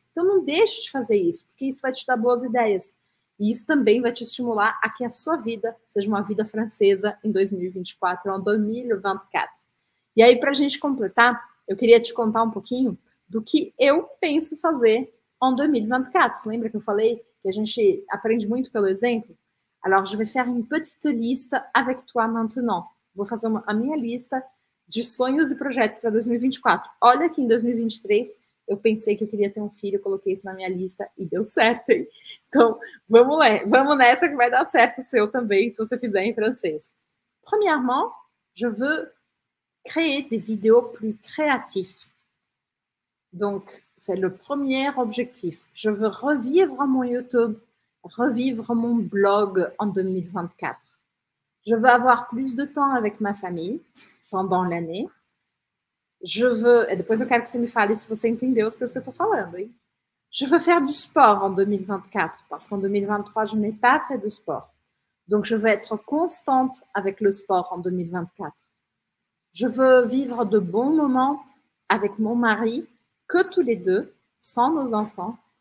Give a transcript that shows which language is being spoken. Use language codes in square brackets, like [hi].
[pt] Então, não deixe de fazer isso, porque isso vai te dar boas ideias. E isso também vai te estimular a que a sua vida seja uma vida francesa em 2024, [fr] en 2024. [pt] E aí, para a gente completar, eu queria te contar um pouquinho do que eu penso fazer [fr] en 2024. [pt] Lembra que eu falei que a gente aprende muito pelo exemplo? [fr] Alors, je vais faire une petite liste avec toi maintenant. [pt] Vou fazer a minha lista de sonhos e projetos para 2024. Olha que em 2023 eu pensei que eu queria ter um filho, coloquei isso na minha lista e deu certo, hein? Então, vamos lá, vamos nessa que vai dar certo o seu também, se você fizer em francês. [fr] Premièrement, je veux créer des vidéos plus créatives. Donc, c'est le premier objectif. Je veux revivre mon YouTube. Revivre mon blog en 2024. Je veux avoir plus de temps avec ma famille pendant l'année. Je veux. [pt] Et depois eu quero que você me fale se você entendeu as coisas que eu estou falando, hein? [fr] Je veux faire du sport en 2024, parce qu'en 2023, je n'ai pas fait de sport. Donc, je veux être constante avec le sport en 2024. Je veux vivre de bons moments avec mon mari, que tous les deux, sans nos enfants.